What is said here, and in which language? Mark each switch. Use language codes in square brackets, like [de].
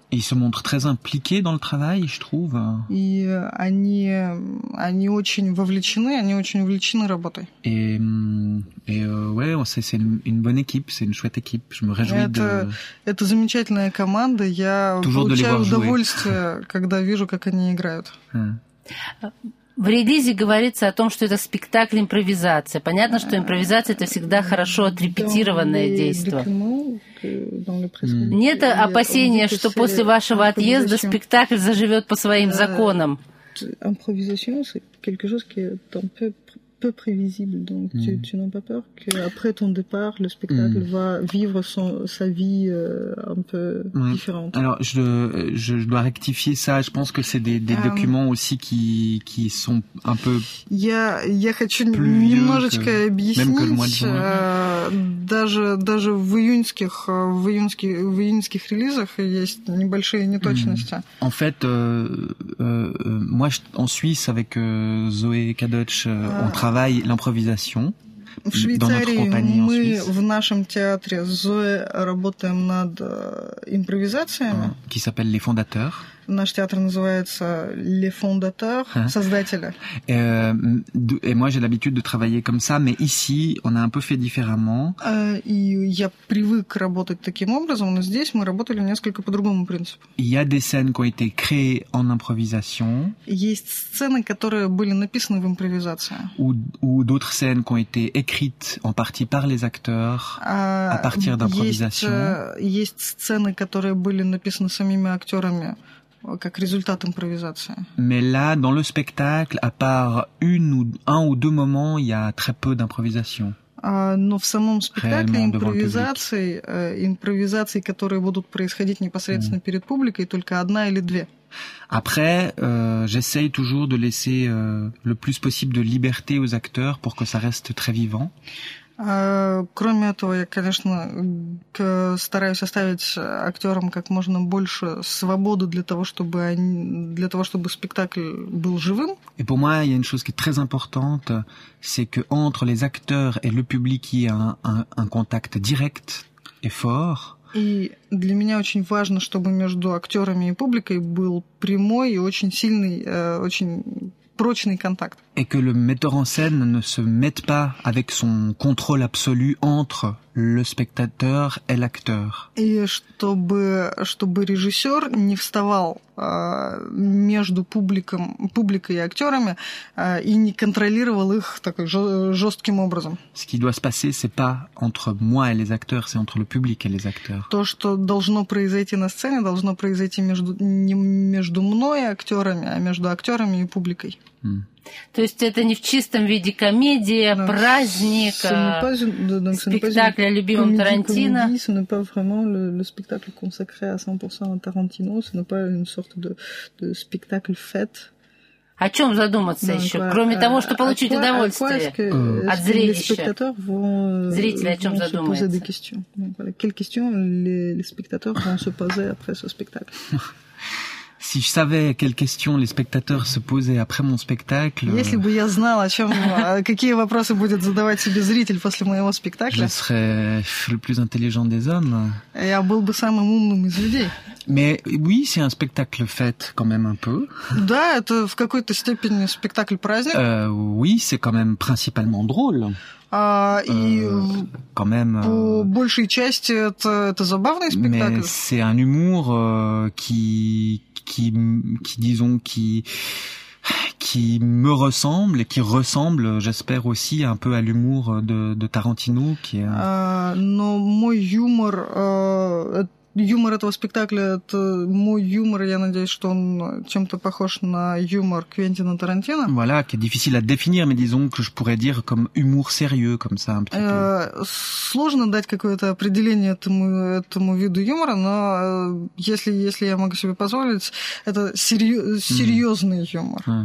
[fr] Ils se montrent très impliqués dans le travail, je trouve. [ru] И они очень вовлечены, они очень увлечены работой. [fr] Ouais, c'est une bonne équipe, c'est une chouette équipe. Je me réjouis de... [ru] Это замечательная команда. Я [fr] Toujours [ru] получаю удовольствие, когда вижу, как они играют. В релизе говорится о том, что это спектакль импровизация. Понятно, что импровизация – это всегда хорошо отрепетированное действие. Нет опасения, что после вашего отъезда спектакль заживет по своим законам. Импровизация – это [fr] quelque chose qui est un peu prévisible. Donc tu n'as pas peur que après ton départ, le spectacle va vivre sa vie un peu différente. Alors je dois rectifier ça. Je pense que c'est des documents aussi qui sont un peu. [ru] Я хочу немножечко объяснить. Даже в июньских релизах есть небольшие неточности. [fr] En fait, moi en Suisse avec Zoé Kadoch, on travaille. L'improvisation [ru] в Швейцарии мы в нашем театре Зоэ работаем над импровизациями. [fr] Qui s'appelle Les Fondateurs. [ru] Наш театр называется Les Fondateurs, создатели. [fr] Et moi j'ai l'habitude de travailler comme ça, mais ici on a un peu fait différemment. [ru] И я привык работать таким образом, но здесь мы работали несколько по другому принципу. [fr] Il y a des scènes qui ont été créées en improvisation. [ru] Есть сцены, которые были написаны в импровизации. [fr] Ou d'autres scènes qui ont été écrites en partie par les acteurs à partir d'improvisation. [ru] Есть сцены, которые были написаны самими актерами. Как результат импровизации. [fr] Mais là, dans le spectacle, à part un ou deux moments, il y a très peu d'improvisation. [ru] Но в самом спектакле импровизации, которые будут происходить непосредственно перед публикой, только одна или две. [fr] Après, j'essaye toujours de laisser le plus possible de liberté aux acteurs pour que ça reste très vivant. [ru] Кроме этого, я, конечно, стараюсь оставить актерам как можно больше свободы для того, чтобы спектакль был живым. [fr] Et pour moi, il y a une chose qui est très importante, c'est que entre les acteurs et le public, il y a un contact direct et fort. [ru] И для меня очень важно, чтобы между актерами и публикой был прямой и очень сильный, очень прочный контакт. [fr] Et que le metteur en scène ne se mette pas avec son contrôle absolu entre le spectateur et l'acteur. Et [ru] чтобы режиссер не вставал между публикой и актерами и не контролировал их такой жестким образом. [fr] Ce qui doit se passer, c'est pas entre moi et les acteurs, c'est entre le public et les acteurs. [ru] То, что должно произойти на сцене, должно произойти не между мной и актерами, а между актерами и публикой. То есть это не в чистом виде комедия, праздник, спектакль о любимом Тарантино. [fr] Ce n'est pas vraiment le spectacle consacré à 100% à Tarantino, ce n'est pas une sorte de spectacle fête. [ru] О чем задуматься еще, кроме того, что получить удовольствие от зрелища? Зрители о чем задумаются? [fr] Quelles questions les spectateurs vont se poser après ce spectacle? Si je savais quelles questions les spectateurs se posaient après mon spectacle, [ru] если бы я знал, о чем, какие вопросы будет задавать себе зритель после моего спектакля, [fr] je serais le plus intelligent des hommes. [ru] Я был бы самым умным из людей. [fr] Mais oui, c'est un spectacle fête quand même un peu. [ru] Да, это в какой-то степени спектакль праздник. [fr] Oui, c'est quand même principalement drôle. Quand même, [ru] по большей части это забавный спектакль. [fr] Mais c'est un humour qui me ressemble et qui ressemble, j'espère aussi, un peu à l'humour de Tarantino, qui est. [ru] Но мой юмор, юмор этого спектакля, это мой юмор. Я надеюсь, что он чем-то похож на юмор Квентина Тарантино. [fr] Voilà, qui est difficile à définir, mais disons que je pourrais dire comme humour sérieux, comme ça un petit peu. [ru] Сложно дать какое-то определение этому виду юмора, но если я могу себе позволить, это серьезный юмор.